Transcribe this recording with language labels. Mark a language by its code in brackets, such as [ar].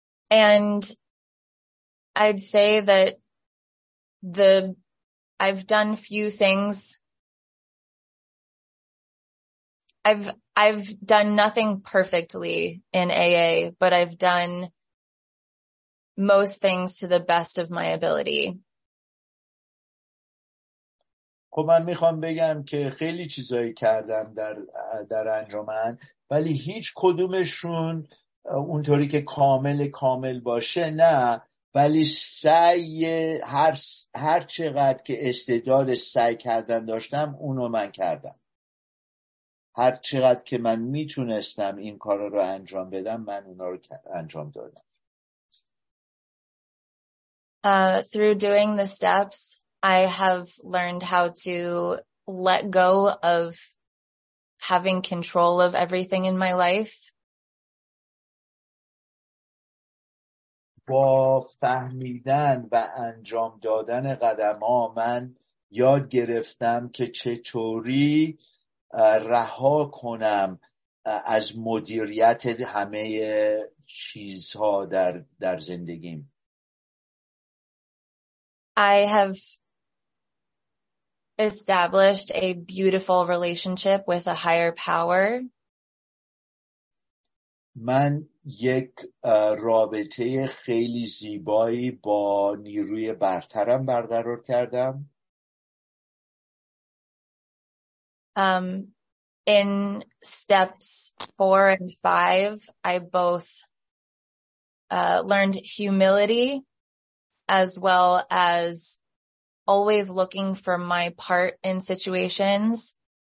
[en] And I'd say that I've done few things. I've done nothing perfectly in AA, but I've done most things to the best of my ability. [fa] خب من میخوام بگم که خیلی چیزایی کردم در انجمن، ولی هیچ کدومشون اونطوری که کامل باشه نه، ولی سعی هر چقدر که استعداد سعی کردن داشتم اونو من کردم. هر چقدر که من میتونستم این کار رو انجام بدم من اونا رو انجام دادم. [en] Through doing the steps, I have learned how to let go of having control of everything in my life. [fa] با فهمیدن و انجام دادن قدم ها من یاد گرفتم که چطوری رها کنم از مدیریت همه چیزها در زندگیم. [en] I have established a beautiful relationship with a higher power. [fa] من یک رابطه خیلی زیبایی با نیروی برترم برقرار کردم. [en] In steps 4 and 5, I both learned humility as well as always looking for my part in situations.